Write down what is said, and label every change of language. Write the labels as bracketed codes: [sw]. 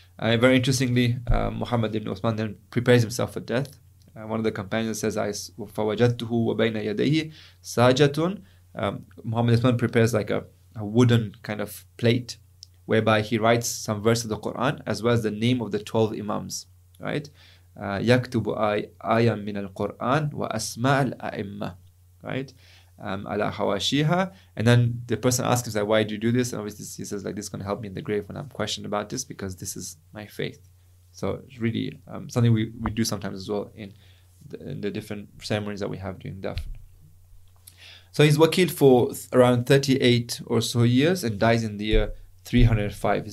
[en] Very interestingly, Muhammad ibn Uthman then prepares himself for death. One of the companions says, [ar] فَوَجَدْتُهُ وَبَيْنَ يَدَيْهِ سَاجَةٌ. [en] Muhammad ibn Uthman prepares like a wooden kind of plate whereby he writes some verse of the Quran as well as the name of the 12 imams, right? [ar] يَكْتُبُ آيَا مِنَ الْقُرْآنِ وَأَسْمَعَ الْأَئِمَّةِ, [en] right? [ar] Ala hawashiha. [en] And then the person asks him, like, why do you do this? And obviously he says, like, this is going to help me in the grave when I'm questioned about this, because this is my faith. So it's really something we do sometimes as well in the different ceremonies that we have during death. So he's wakil for around 38 or so years and dies in the year 305.